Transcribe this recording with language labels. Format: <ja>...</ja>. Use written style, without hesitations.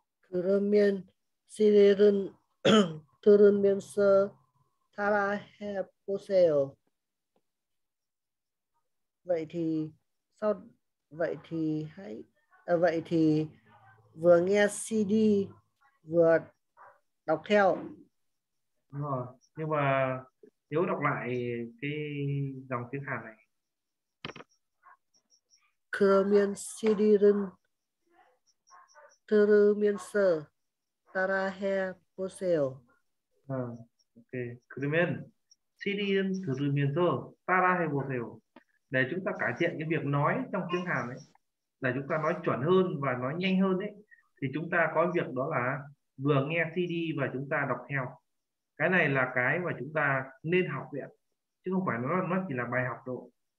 <ko>그러면 CD를 들으면서 따라해 보세요.</ko> <vi>Vậy thì sau vậy thì hãy vậy thì vừa nghe CD vừa đọc theo. Đúng rồi. Nhưng mà nếu đọc lại cái dòng tiếng Hàn này.</vi> <ko>그러면 CD를 들으면서 따라해 보세요. 아, 오케이. 그러면 시리은 들으면서 따라해 보세요.</ko> <vi>Để chúng ta cải thiện cái việc nói trong tiếng Hàn ấy, là chúng ta nói chuẩn hơn và nói nhanh hơn ấy, thì chúng ta có việc đó là vừa nghe CD và chúng ta đọc theo. Cái này là cái mà chúng ta nên học vậy, chứ không phải nó chỉ là bài học thôi.</vi>